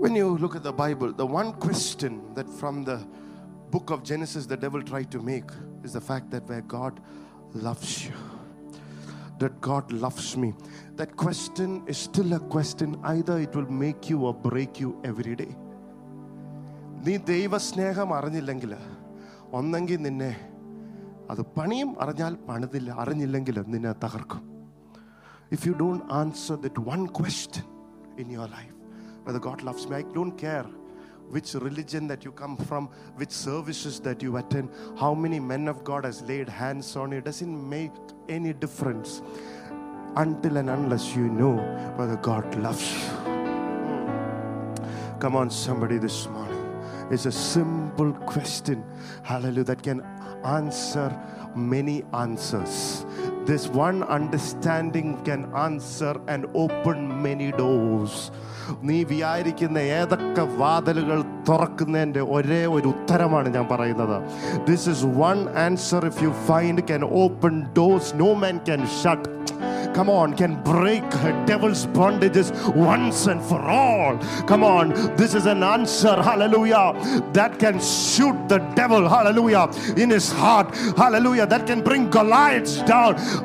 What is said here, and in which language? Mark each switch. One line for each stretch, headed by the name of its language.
English: When you look at the Bible, the one question that from the book of Genesis the devil tried to make is the fact that where God loves you, that God loves me. That question is still a question. Either it will make you or break you every day.
Malayalam: നീ ദൈവ സ്നേഹം അറിഞ്ഞില്ലെങ്കിൽ ഒന്നെങ്കിൽ നിന്നെ അത് പണിയും അറിഞ്ഞാൽ പണിതില്ല അറിഞ്ഞില്ലെങ്കിൽ നിന്നെ തകർക്കും.
English: If you don't answer that one question in your life, whether God loves me, I don't care which religion that you come from, which services that you attend, how many men of God has laid hands on you, it doesn't make any difference until and unless you know whether God loves you. Come on, somebody, this morning. It's a simple question, hallelujah, that can answer many answers. This one understanding can answer and open many doors.
Malayalam: നീ വിചാരിക്കുന്ന ഏതൊക്കെ വാതിലുകൾ തുറക്കുന്നതിൻ്റെ ഒരേ ഒരു ഉത്തരമാണ് ഞാൻ പറയുന്നത്.
English: This is one answer if you find can open doors no man can shut. Come on, can break devil's bondages once and for all. Come on, this is an answer, hallelujah, that can shoot the devil, hallelujah, in his heart, hallelujah, that can bring Goliaths down.